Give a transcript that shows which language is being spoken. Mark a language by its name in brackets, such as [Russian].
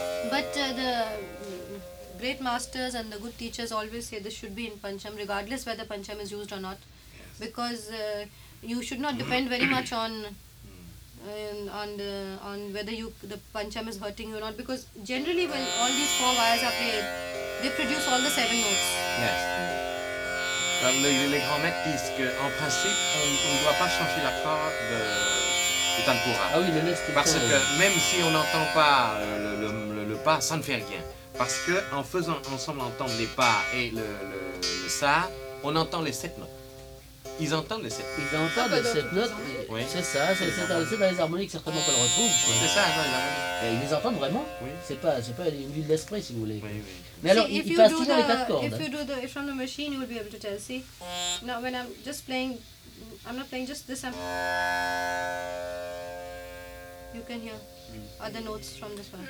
[English] But the great masters and the good teachers always say this should be in Pancham, regardless whether Pancham is used or not, because you should not depend very much on whether the Pancham is hurting you or not, because generally when all these four wires are played, they produce all the seven notes. Yes. [French] Les grands maîtres disent qu'en principe, on ne doit pas changer l'accord de tempura. Ah oui, le maître qui parce que même si on n'entend pas le pas, ça ne fait rien. Parce qu'en faisant ensemble entendre les pas et le ça, on entend les sept notes. Ils entendent les sept notes. Ils entendent les sept notes, oui. C'est ça, c'est dans les harmoniques certainement qu'on le retrouve. Oui. C'est ça, dans les harmoniques. Ils les entendent vraiment. Oui. C'est pas une vue de l'esprit, si vous voulez. Oui. Mais alors, il passe toujours les quatre cordes. [English] If you do it from the machine, you will be able to tell. See, now when I'm just playing, I'm not playing just this. You can hear other notes from this one.